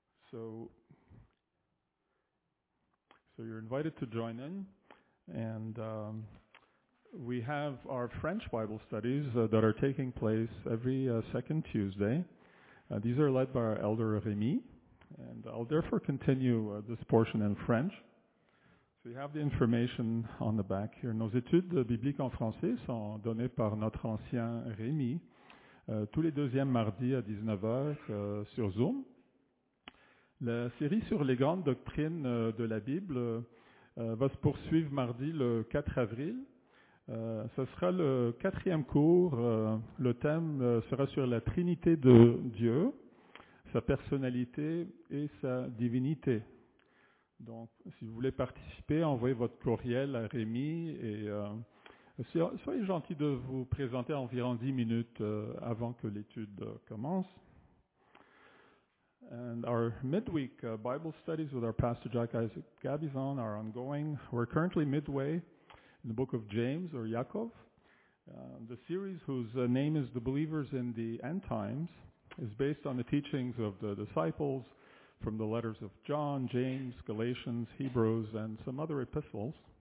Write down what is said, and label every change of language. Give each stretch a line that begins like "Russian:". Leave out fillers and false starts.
English: So you're invited to join in, and we have our French Bible studies that are taking place every second Tuesday. These are led by our Elder Rémy, and I'll therefore continue this portion in French. So you have the information on the back here.
French: Nos études bibliques en français sont données par notre ancien Rémy tous les deuxièmes mardis à 19h sur Zoom. La série sur les grandes doctrines de la Bible va se poursuivre mardi le 4 avril. Ce sera le quatrième cours. Le thème sera sur la Trinité de Dieu, sa personnalité et sa divinité. Donc, si vous voulez participer, envoyez votre courriel à Rémy et soyez gentil de vous présenter environ 10 minutes avant que l'étude commence.
English: And our midweek Bible studies with our pastor Jack Isaac Gabizon are ongoing. We're currently midway in the book of James, or Yaakov. The series, whose name is The Believers in the End Times, is based on the teachings of the disciples from the letters of John, James, Galatians, Hebrews, and some other epistles.